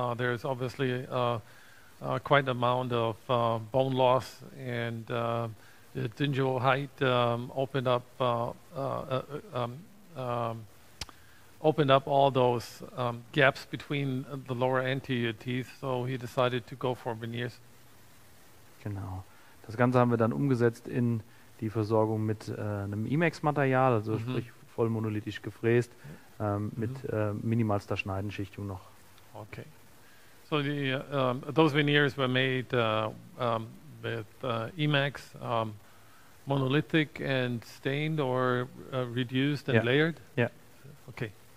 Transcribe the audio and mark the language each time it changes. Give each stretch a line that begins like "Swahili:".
English: There is obviously quite an amount of bone loss, and the gingival height opened up all those gaps between the lower anterior teeth. So he decided to go for veneers.
German: Genau. Das Ganze haben wir dann umgesetzt in die Versorgung mit einem IMEX-Material, also sprich vollmonolithisch gefräst, mit minimalster Schneidenschichtung noch.
English: Okay. So the, those veneers were made with IMEX, monolithic and stained or reduced and layered? Yeah. Okay.